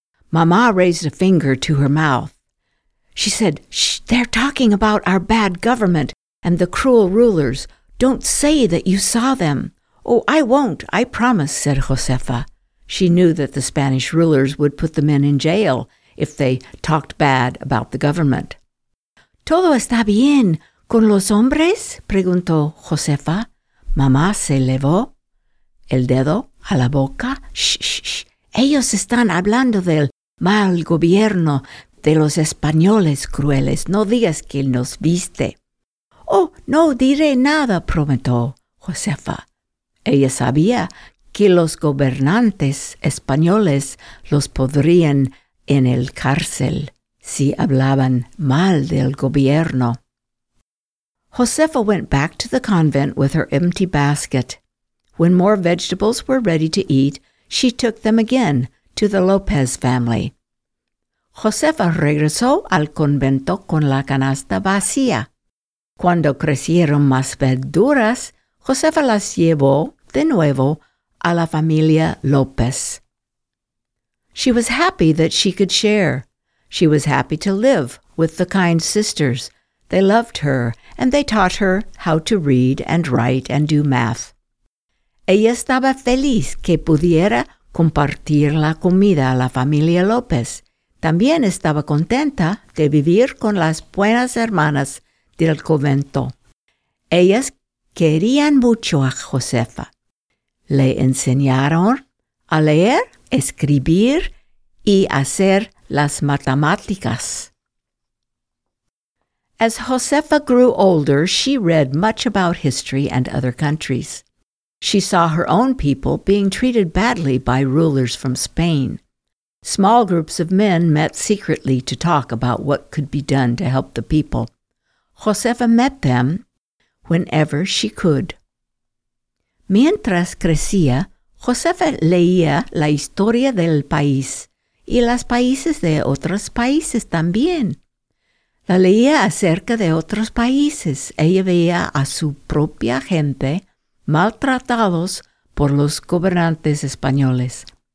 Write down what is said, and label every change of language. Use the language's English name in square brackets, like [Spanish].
[English] Mama raised a finger to her mouth. She said, "Shh, they're talking about our bad government and the cruel rulers. Don't say that you saw them." "Oh, I won't, I promise," said Josefa. She knew that the Spanish rulers would put the men in jail if they talked bad about the government. [Spanish] "Todo está bien con los hombres?" preguntó Josefa. Mamá se llevó el dedo a la boca. "Shh, shh, shh. Ellos están hablando del mal gobierno de los españoles crueles. No digas que nos viste." "Oh, no diré nada," prometió Josefa. Ella sabía que los gobernantes españoles los podrían en el cárcel si hablaban mal del gobierno. [English] Josefa went back to the convent with her empty basket. When more vegetables were ready to eat, she took them again to the Lopez family. [Spanish] Josefa regresó al convento con la canasta vacía. Cuando crecieron más verduras, Josefa las llevó de nuevo a la familia López. [English] She was happy that she could share. She was happy to live with the kind sisters. They loved her, and they taught her how to read and write and do math. [Spanish] Ella estaba feliz que pudiera compartir la comida a la familia López. También estaba contenta de vivir con las buenas hermanas del convento. Ellas querían mucho a Josefa. Le enseñaron a leer, escribir y hacer las matemáticas. [English] As Josefa grew older, she read much about history and other countries. She saw her own people being treated badly by rulers from Spain. Small groups of men met secretly to talk about what could be done to help the people. Josefa met them whenever she could. [Spanish] Mientras crecía, Josefa leía la historia del país y los países de otros países también. La leía acerca de otros países. Ella veía a su propia gente maltratados por los gobernantes españoles.